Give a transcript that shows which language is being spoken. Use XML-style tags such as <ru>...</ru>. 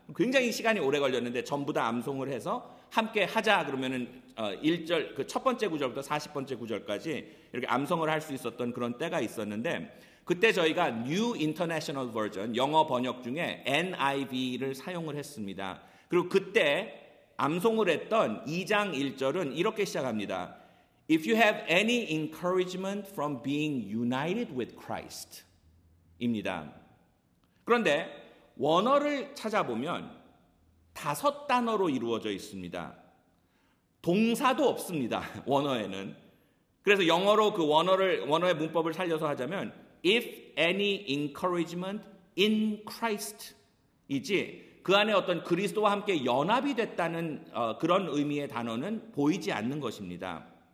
<ko>굉장히 시간이 오래 걸렸는데 전부 다 암송을 해서 함께 하자 그러면은 1절 그 첫 번째 구절부터 40번째 구절까지 이렇게 암송을 할 수 있었던 그런 때가 있었는데 그때 저희가 New International Version 영어 번역 중에 NIV를 사용을 했습니다. 그리고 그때 암송을 했던 2장 1절은 이렇게 시작합니다.</ko> <en>If you have any encouragement from being united with Christ</en> <ko>입니다. 그런데 원어를 찾아보면 다섯 단어로 이루어져 있습니다. 동사도 없습니다. 원어에는. 그래서 영어로 그 원어의 문법을 살려서 하자면</ko> <en>if any encouragement in Christ</en> <ko>이지 그 안에 어떤 그리스도와 함께 연합이 됐다는 그런 의미의 단어는 보이지 않는 것입니다.</ko>